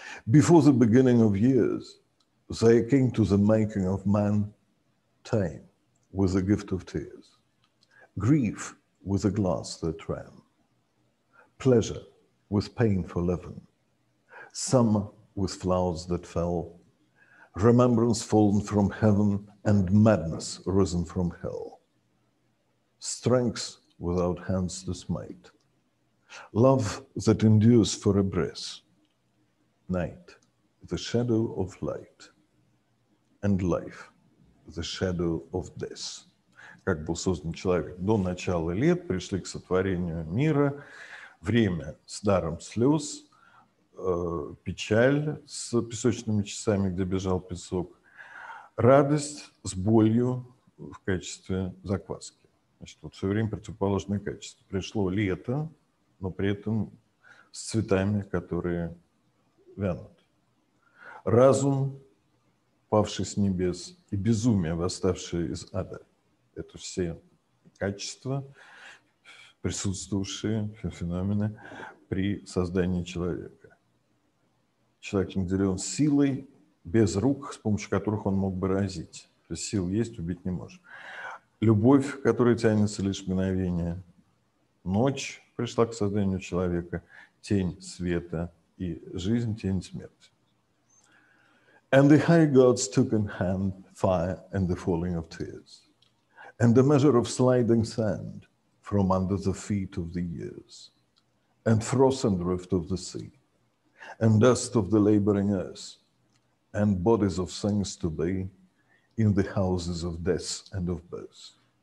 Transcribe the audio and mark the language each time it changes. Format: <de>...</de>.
<en>Before the beginning of years, they came to the making of man time with a gift of tears, grief with a glass that ran, pleasure with painful leaven, summer with flowers that fell, remembrance fallen from heaven and madness risen from hell. Strength without hands to smite, love that endures for a breath, night, the shadow of light, and life, the shadow of death.</en> <ru>Как был создан человек до начала лет, пришли к сотворению мира, время с даром слез, печаль с песочными часами, где бежал песок, радость с болью в качестве закваски. Значит, вот все время противоположные качества. Пришло лето, но при этом с цветами, которые вянут. Разум, павший с небес, и безумие, восставшее из ада. Это все качества, присутствующие, феномены при создании человека. Человек наделен силой, без рук, с помощью которых он мог бы разить. То есть сил есть, убить не может. Любовь, которая тянется лишь мгновение, ночь пришла к созданию человека, тень света и жизнь, тень смерти.</ru> <en>And the high gods took in hand fire and the falling of tears, and the measure of sliding sand from under the feet of the years, and frost and drift of the sea, and dust of the laboring earth, and bodies of things to be in the houses of death and of birth.</en>